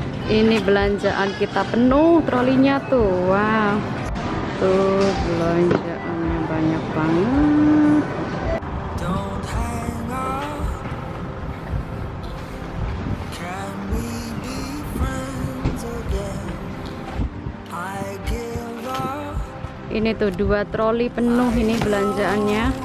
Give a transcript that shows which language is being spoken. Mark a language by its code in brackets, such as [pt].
[id] Ini belanjaan kita penuh trolinya tuh. Wow. Tuh belanjaannya banyak banget. [en] Don't hang up. Can we be friends again? I give up. [id] Ini tuh 2 troli penuh ini belanjaannya.